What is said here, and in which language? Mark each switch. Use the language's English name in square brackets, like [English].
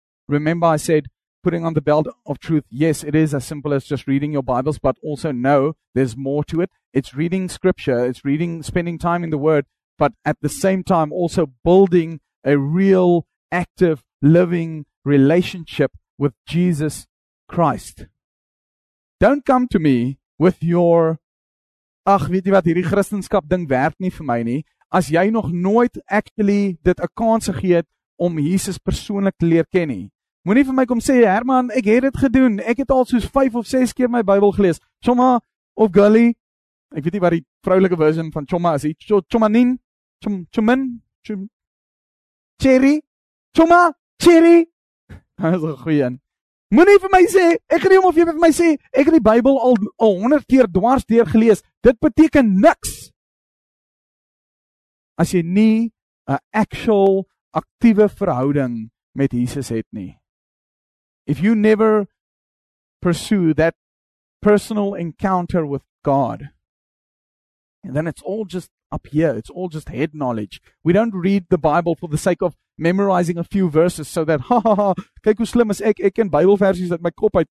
[English] remember I said putting on the belt of truth, yes, it is as simple as just reading your Bibles, but also no, there's more to it. It's reading scripture, it's reading, spending time in the word, but at the same time also building a real, active, living relationship with Jesus Christ. Don't come to me with your, [Afrikaans] ach, weet jy wat, hierdie Christenskap ding werk nie vir my nie, as jy nog nooit actually dit 'n kans gegee het om Jesus persoonlik te leer ken nie. Moenie vir my kom sê, Herman, ek het dit gedoen, ek het al soos 5 of 6 keer my Bybel gelees, Choma of Gully, ek weet nie wat die vroulike version van Choma is, Chomanin, Chomin, Cherry, Choma, Cherry, dat is 'n goeie een. Moenie vir my sê, ek gaan nie om of jy vir my sê, ek het die Bybel al 100 keer dwars deur gelees, dit beteken niks. As jy nie 'n actual aktiewe verhouding met Jesus het nie. [English] If you never pursue that personal encounter with God, then it's all just up here. It's all just head knowledge. We don't read the Bible for the sake of memorizing a few verses so that, ha ha ha, [Afrikaans] kyk hoe slim is ek, ek ken Bybelversies uit my kop uit.